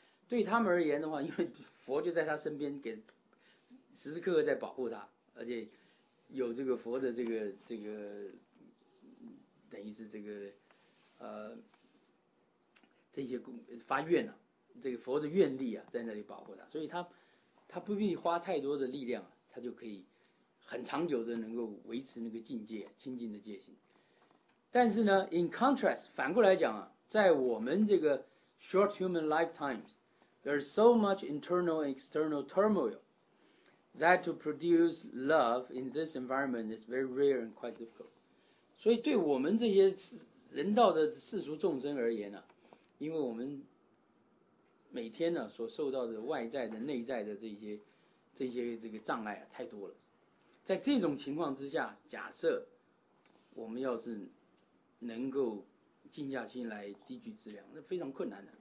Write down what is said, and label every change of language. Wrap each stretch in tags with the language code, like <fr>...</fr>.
<zh>对他们而言的话，因为佛就在他身边给时时刻刻在保护他，而且有这个佛的这个等于是这些发愿啊，这个佛的愿力啊在那里保护他，所以他不必花太多的力量，他就可以很长久的能够维持那个境界清净的戒心。但是呢</zh> <en>in contrast</en> <zh>反过来讲啊，在我们这个</zh> <en>short human lifetimesThere is so much internal and external turmoil that to produce love in this environment is very rare and quite difficult.</en> <zh>所以对我们这些人道的世俗众生而言、啊、因为我们每天、啊、所受到的外在的内在的这些这个障碍、啊、太多了。在这种情况之下，假设我们要是能够静下心来滴聚资粮，那非常困难的。</zh>